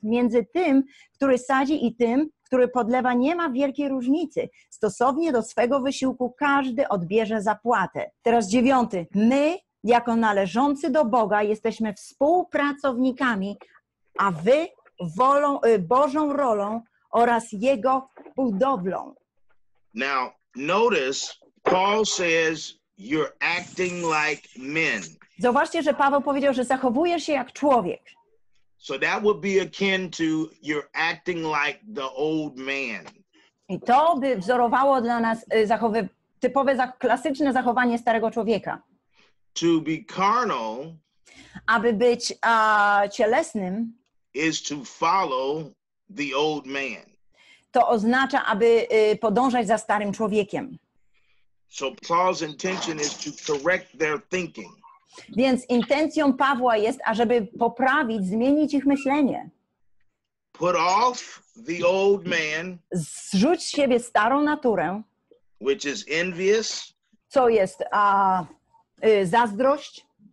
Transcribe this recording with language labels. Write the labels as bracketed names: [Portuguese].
[Polish] Między tym, który sadzi i tym, który podlewa, nie ma wielkiej różnicy. Stosownie do swego wysiłku każdy odbierze zapłatę. Teraz dziewiąty. My, jako należący do Boga, jesteśmy współpracownikami, a wy wolą, Bożą rolą oraz Jego budowlą. [English] Now, notice, Paul says, you're acting like men. [Polish] Zauważcie, że Paweł powiedział, że zachowujesz się jak człowiek. [English] So that would be akin to you're acting like the old man. [Polish] I to by wzorowało dla nas typowe, klasyczne zachowanie starego człowieka. [English] To be carnal, [Polish] aby być cielesnym, [English] is to follow the old man. [Polish] To oznacza, aby podążać za starym człowiekiem. [English] So Paul's intention is to correct their thinking. [Polish] Więc intencją Pawła jest, ażeby poprawić, zmienić ich myślenie. [English] Put off the old man, [Polish] zrzuć z siebie starą naturę, [English] which is envious, [Polish] co jest zazdrość,